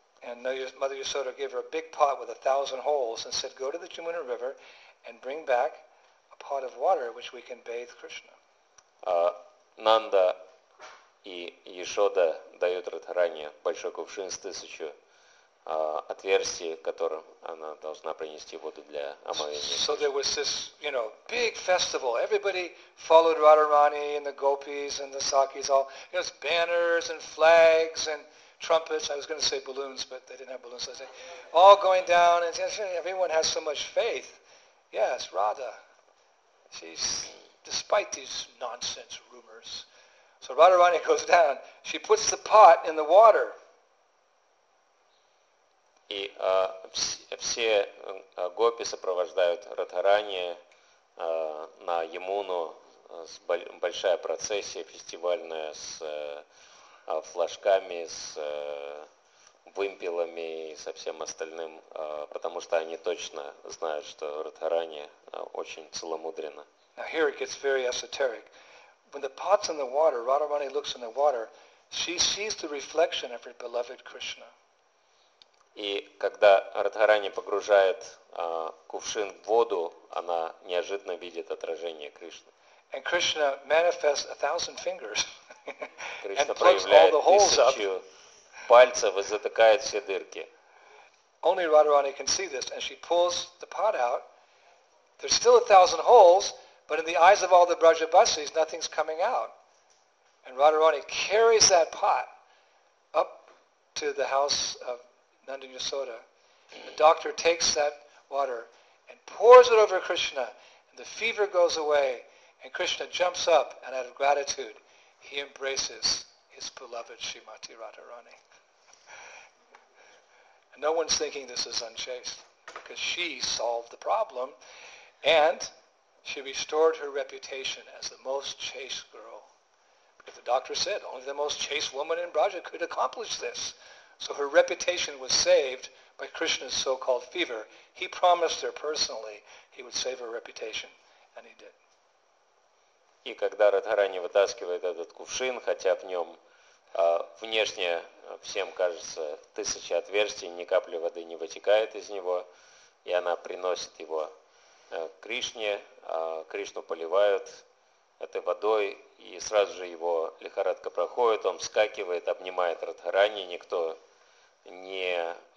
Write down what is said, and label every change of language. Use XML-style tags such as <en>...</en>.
<en>And Mother Yashoda gave her a big pot with 1,000 holes and said, go to the Jamuna River and bring back a pot of water which we can bathe Krishna.</en> <ru>Нанда и Ишода дают Радхарани большой кувшин с 1000 отверстий, которым она должна принести воду для омовения.</ru> <en>So there was this, you know, big festival. Everybody followed Radharani and the gopis and the sakis all. You know, banners and flags and trumpets. I was going to say balloons, but they didn't have balloons. So all going down, and everyone has so much faith. Yes, Radha. She's, despite these nonsense rumors. So Radharani goes down. She puts the pot in the water.</en> <ru>И все гопи сопровождают Радхарани на Ямуну, большая процессия фестивальная с флажками, с вымпелами и со всем остальным, потому что они точно знают, что Радхарани очень целомудрена.</ru> <en>Now here it gets very esoteric. When the pot's in the water, Radharani looks in the water, she sees the reflection of her beloved Krishna.</en> <ru>И когда Радхарани погружает кувшин в воду, она неожиданно видит отражение Кришны.</ru> <en>And Krishna manifests 1,000 fingers.</en> <ru>Кришна проявляет 1000 пальцев и затыкает все дырки.</ru> <en>Only Radharani can see this, and she pulls the pot out. There's still 1,000 holes, but in the eyes of all the Brajabasis, nothing's coming out. And Radharani carries that pot up to the house of Nanda Yashoda. The doctor takes that water and pours it over Krishna, and the fever goes away, and Krishna jumps up, and out of gratitude, he embraces his beloved Srimati Radharani. And no one's thinking this is unchaste, because she solved the problem, and she restored her reputation as the most chaste girl. Because the doctor said only the most chaste woman in Braja could accomplish this. So her reputation was saved by Krishna's so-called fever. He promised her personally he would save her reputation, and he did.</en> <ru>И когда Радхарани вытаскивает этот кувшин, хотя в нем внешне всем кажется тысяча отверстий, ни капли воды не вытекает из него, и она приносит его Кришне, Кришну поливают этой водой, и сразу же его лихорадка проходит, он вскакивает, обнимает Радхарани, никто не</ru>